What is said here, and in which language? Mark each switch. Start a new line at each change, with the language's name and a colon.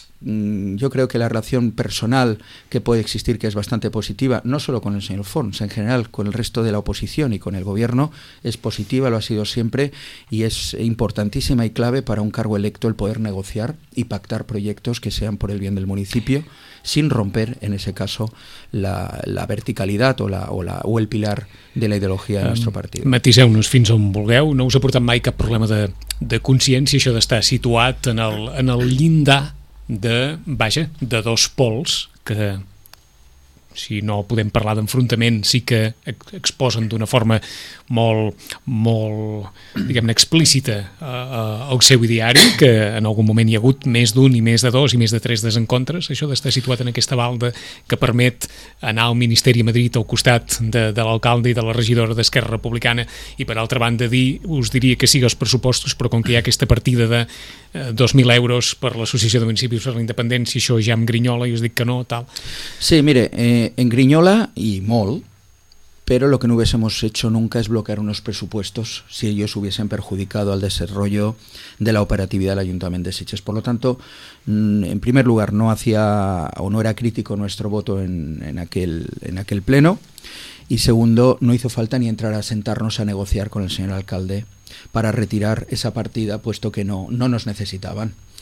Spanish: yo creo que la relación personal que puede existir, que es bastante positiva, no solo con el señor Forns, en general con el resto de la oposición y con el gobierno, es positiva, lo ha sido siempre, y es importantísima y clave para un cargo electo el poder negociar y pactar proyectos que sean por el bien del municipio, sin romper, en ese caso, la verticalidad o el pilar de la ideología del nuestro partido.
Catalan: Matiseu-nos fins on vulgueu, no us ha portat mai cap problema de consciència això d'estar situat en el llindar de dos pols que, si no podem parlar d'enfrontament, sí que exposen d'una forma molt, molt, diguem-ne, explícita el seu ideari, que en algun moment hi ha hagut més d'un i més de dos i més de tres desencontres, això d'estar situat en aquesta balda que permet anar al Ministeri a Madrid al costat de l'alcalde i de la regidora d'Esquerra Republicana, i per altra banda dir, us diria que sigui els pressupostos, però com que hi ha aquesta partida de 2.000 euros per l'Associació de Municipis per la Independència, això ja em grinyola i us dic que no, tal.
Spanish: Sí, mire,
Catalan: en grinyola i molt,
Spanish: pero lo que no hubiésemos hecho nunca es bloquear unos presupuestos si ellos hubiesen perjudicado al desarrollo de la operatividad del Ayuntamiento de Sitges. Por lo tanto, en primer lugar, no hacía o no era crítico nuestro voto en aquel pleno, y segundo, no hizo falta ni entrar a sentarnos a negociar con el señor alcalde para retirar esa partida, puesto que no nos necesitaban.